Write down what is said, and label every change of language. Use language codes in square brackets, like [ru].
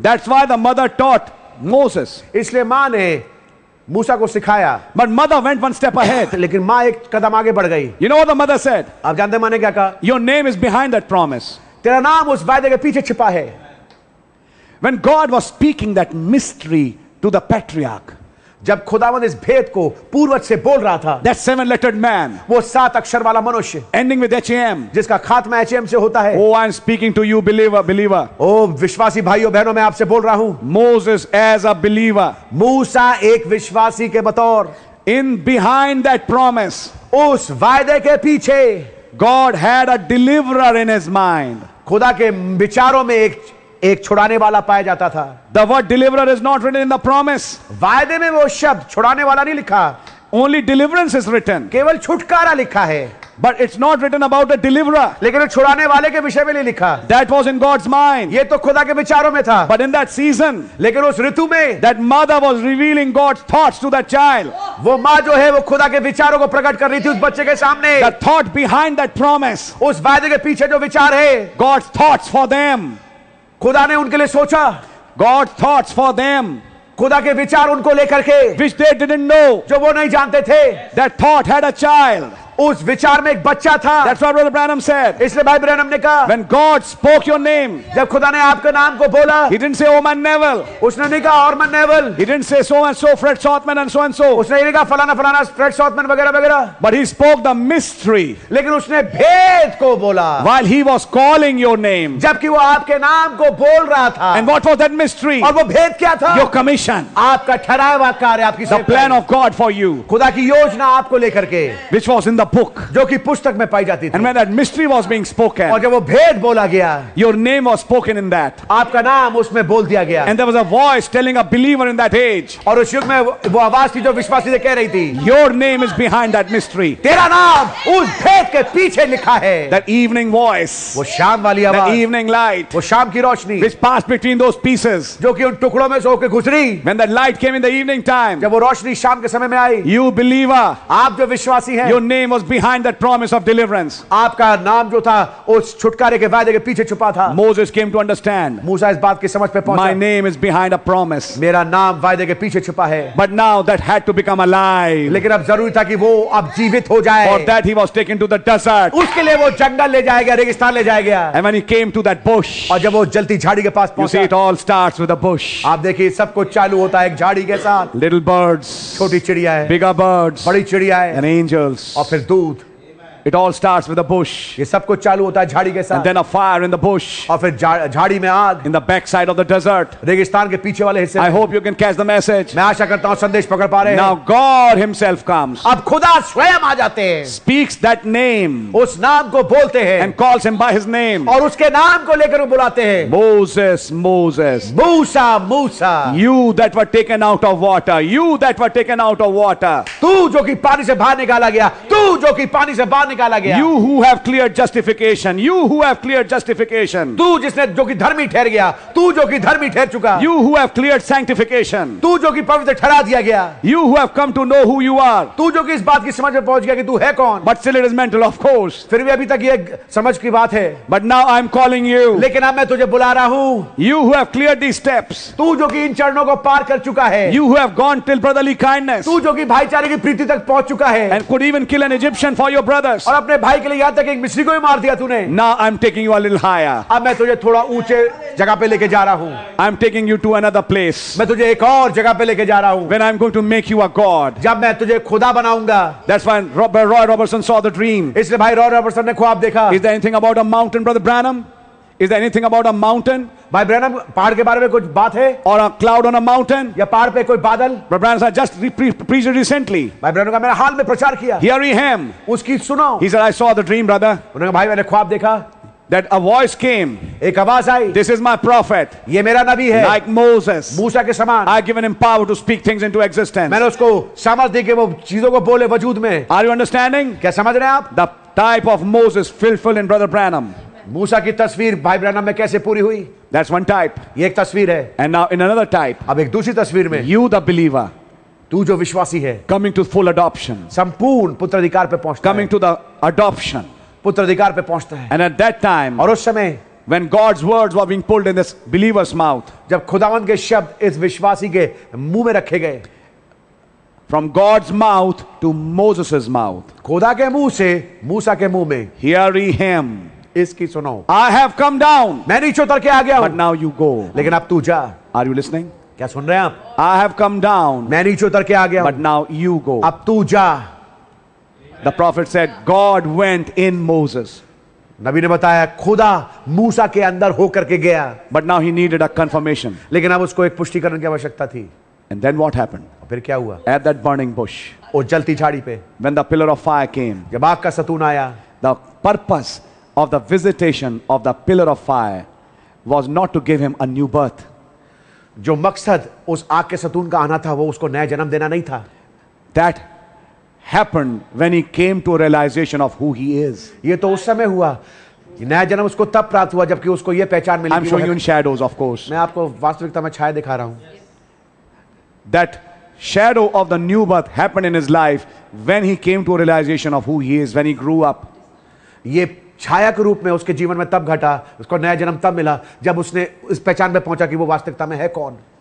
[en] That's why the mother taught Moses. [hi] इसलिए माँ ने मूसा को सिखाया. [en] But mother went one step ahead. [hi] लेकिन माँ एक कदम आगे बढ़ गई. [en] You know what the mother said? [hi] आप जानते माँ ने क्या कहा? [en] Your name is behind that promise. [hi] तेरा नाम उस वायदे के पीछे छिपा है. [en] When God was speaking that mystery to the patriarch. [hi] जब खुदावन इस भेद को पूर्वज से बोल रहा था, [en] that seven lettered man, [hi] वो सात अक्षर वाला मनुष्य, [en] ending with H-A-M, [hi] जिसका खात्मा H-A-M से होता है, [en] oh, I'm speaking to you, believer, [hi] ओ विश्वासी भाइयों बहनों, मैं आपसे बोल रहा हूं, [en] Moses as a believer, [hi] मूसा एक विश्वासी के बतौर, [en] in behind that promise, [hi] उस वायदे के पीछे, [en] God had a deliverer in his mind, [hi] खुदा के विचारों में एक एक छुड़ाने वाला पाया जाता था. [en] The word deliverer is not written in the promise. [hi] वायदे में वो शब्द छुड़ाने वाला नहीं लिखा. [en] Only deliverance is written. [hi] केवल छुटकारा लिखा है. [en] But it's not written about a deliverer. [hi] लेकिन छुड़ाने वाले के विषय में नहीं लिखा. [en] That was in God's mind. [hi] ये तो खुदा के विचारों में था. [en] But in that season, [hi] लेकिन उस ऋतु में, [en] that mother was revealing God's thoughts to that child. [hi] वो माँ जो है, वो खुदा के विचारों को प्रकट कर रही थी उस बच्चे के सामने. [en] The thought behind that promise. [hi] उस वायदे के पीछे जो विचार है. [en] God's thoughts for them. [hi] खुदा ने उनके लिए सोचा. [en] God's thoughts for them. [hi] खुदा के विचार उनको लेकर के, [en] which they didn't know, [hi] जो वो नहीं जानते थे. [en] That thought had a child. [hi] उस विचार में एक बच्चा था. [en] That's what Brother Branham said. [hi] इसलिए भाई ब्रैनम ने कहा, [en] when God spoke your name, [hi] जब खुदा ने आपके नाम को बोला, [en] he didn't say Orman Neville. [hi] उसने नहीं कहा Orman Neville. [en] He didn't say so and so Fred Southman and so and so. [hi] उसने नहीं कहा फलाना फलाना Fred Southman वगैरह वगैरह. [en] But he spoke the mystery. [hi] लेकिन उसने भेद को बोला. [en] While he was calling your name. [hi] जबकि वो आपके नाम को बोल रहा था. [en] And what was that mystery? [hi] और वो भेद क्या था? [en] Your commission. [hi] आपका ठहराया हुआ कार्य, आपकी [en] the plan of God for you. [hi] खुदा की योजना आपको लेकर के. [en] Which was in the book, [hi] जो कि पुस्तक में पाई जाती थी. [en] And when that mystery was being spoken, [hi] और जब वो भेद बोला गया, [en] your name was spoken in that, [hi] आपका नाम उसमें बोल दिया गया. [en] And there was a voice telling a believer in that age, [hi] और उस युग में वो आवाज थी जो विश्वासी से कह रही थी, [en] your name is behind that mystery, [hi] तेरा नाम उस भेद के पीछे लिखा है. [en] That evening voice, [hi] वो शाम वाली आवाज, [en] that evening light, [hi] वो शाम की रोशनी, [en] which passed between those pieces, [hi] जो कि उन टुकड़ों में से होकर गुजरी. [en] When that light came in the evening time, [hi] जब वो रोशनी शाम के समय में आई, [en] you believer, [hi] आप जो विश्वासी हैं, [en] your name was behind that promise of deliverance. [hi] आपका नाम जो था उस छुटकारे के वायदे के पीछे छुपा था. [en] Moses came to understand. [hi] मूसा इस बात की समझ पे पहुंचा. [en] My name is behind a promise. [hi] मेरा नाम वायदे के पीछे छुपा है. [en] But now that had to become alive. [hi] लेकिन अब जरूरी था कि वो अब जीवित हो जाए. [en] For that he was taken to the desert. [hi] उसके लिए वो जंगल ले जाया गया, रेगिस्तान ले जाया गया. [en] And when he came to that bush. [hi] और जब वो जलती झाड़ी के पास पहुंचा. [en] You see, it all starts with a bush. [hi] आप देखिए सब कुछ चालू होता है एक झाड़ी के साथ. [en] Little birds. [hi] छोटी चिड़ियां. [en] Bigger birds. [hi] बड़ी चिड़ियां. [en] And angels. [hi] फिर दूध. [en] It all starts with a bush. [hi] ये सब कुछ चालू होता है झाड़ी के साथ. [en] And then a fire in the bush. [hi] और फिर झाड़ी में आग. [en] In the backside of the desert. [hi] रेगिस्तान के पीछे वाले हिस्से. [en] I hope you can catch the message. [hi] मैं आशा करता हूँ संदेश पकड़ पा रहे हैं. [en] Now God Himself comes. [hi] अब खुदा स्वयं आ जाते हैं. [en] Speaks that name. [hi] उस नाम को बोलते हैं. [en] And calls him by his name. [hi] और उसके नाम को लेकर बुलाते हैं. [en] Moses, Moses. [hi] Musa, Musa. [en] You that were taken out of water. You that were taken out of water. [hi] तू जो कि पानी से बाहर निकाला गया. तू जो कि पानी से बाहर निकाला गया. [en] You who have cleared justification. You who have cleared justification. [hi] तू जिसने जो कि धर्मी ठहर गया. तू जो कि धर्मी ठहर चुका. [en] You who have cleared sanctification. [hi] तू जो कि पवित्र ठहरा दिया गया. [en] You who have come to know who you are. [hi] तू जो कि इस बात की समझ में पहुंच गया कि तू है कौन. [en] But still it is mental, of course. [hi] फिर भी अभी तक ये समझ की बात है. [en] But now I am calling you. [hi] लेकिन अब मैं तुझे बुला रहा हूं. [en] You who have cleared these steps. [hi] तू जो कि इन चरणों को पार कर चुका है. [en] You who have gone till brotherly kindness. [hi] तू जो कि भाईचारे की प्रीति तक पहुंच चुका है. [en] And could even kill an Egyptian for your brother. [hi] और अपने भाई के लिए यहां तक एक मिस्री को ही मार दिया तूने. [en] Now I'm taking you a little higher. [hi] अब मैं तुझे थोड़ा ऊंचे जगह पे लेके जा रहा हूं. [en] I'm taking you to another place. [hi] मैं तुझे एक और जगह पे लेके जा रहा हूं. [en] When I'm going to make you a God. [hi] जब मैं तुझे खुदा बनाऊंगा. [en] That's when Roy Robertson saw the dream. [hi] इसलिए भाई रॉय रॉबर्टसन ने ख्वाब देखा. [en] Is there anything about a mountain, Brother Branham? Is there anything about a mountain? [hi] भाई ब्रैनम पहाड़ के बारे में कुछ बात है? [en] Or a cloud on a mountain? [hi] या पहाड़ पे कोई बादल? [en] Brother Branham said, just preached recently. [hi] भाई ब्रैनम का मैंने हाल में प्रचार किया. [en] Hearing him. [hi] उसकी सुनो. [en] He said, I saw the dream, brother. [hi] उन्होंने भाई मैंने ख्वाब देखा. [en] That a voice came. [hi] एक आवाज आई. [en] This is my prophet. [hi] ये मेरा नबी है. [en] Like Moses. [hi] मूसा के समान. [en] I given him power to speak things into existence. [hi] मैंने उसको सामर्थ्य दी कि वो चीजों को बोले वजूद में. [en] Are you understanding? [hi] क्या समझ रहे हैं आप? [en] The type of Moses fulfilled in Brother Branham. [hi] मूसा की तस्वीर भाई ब्रैनम में कैसे पूरी हुई? [en] That's one type. [hi] ये एक तस्वीर है. [en] And now in another type. [hi] अब एक दूसरी तस्वीर में. [en] You the believer. [hi] तू जो विश्वासी है. [en] Coming to full adoption. [hi] संपूर्ण पुत्राधिकार पे पहुंचता. [en] Coming to the adoption. [hi] पुत्राधिकार पे पहुंचता है. [en] And at that time. [hi] और उस समय. [en] When God's words were being pulled in this believer's mouth. [hi] जब खुदावंद के शब्द इस विश्वासी के मुंह में रखे गए. [en] From God's mouth to Moses' mouth. [hi] खुदा के मुंह से मूसा के मुंह में. [en] Hearing him. [hi] इसकी सुनो. [en] I have come down. [hi] मैं नीचे उतर के आ गया हूं. [en] But now you go. [hi] लेकिन अब तू जा. [en] Are you listening? [hi] क्या सुन रहे हैं आप? [en] I have come down. [hi] मैं नीचे उतर के आ गया हूं. [en] But now you go. [hi] अब तू जा. [en] The prophet said, God went in Moses. [hi] नबी ने बताया खुदा मूसा के अंदर होकर के गया. [en] But now he needed a confirmation. [hi] लेकिन अब उसको एक पुष्टिकरण की आवश्यकता थी. [en] And then what happened? [hi] फिर क्या हुआ? [en] At that burning bush. [hi] और जलती झाड़ी पे. [en] When the pillar of fire came. [hi] जब आग का सतून आया. [en] The purpose of the visitation of the pillar of fire was not to give him a new birth. [hi] जो मकसद उस आग के सतून का आना था वो उसको नया जन्म देना नहीं था. [en] That happened when he came to a realization of who he is. [hi] ये तो उस समय हुआ. नया जन्म उसको तब प्राप्त हुआ जबकि उसको ये पहचान मिली. [en] I'm showing you in shadows, of course. [hi] मैं आपको वास्तविकता में छाया दिखा रहा हूँ. [en] That shadow of the new birth happened in his life when he came to a realization of who he is, when he grew up. [hi] ये छाया के रूप में उसके जीवन में तब घटा, उसको नया जन्म तब मिला जब उसने इस पहचान में पहुंचा कि वो वास्तविकता में है कौन.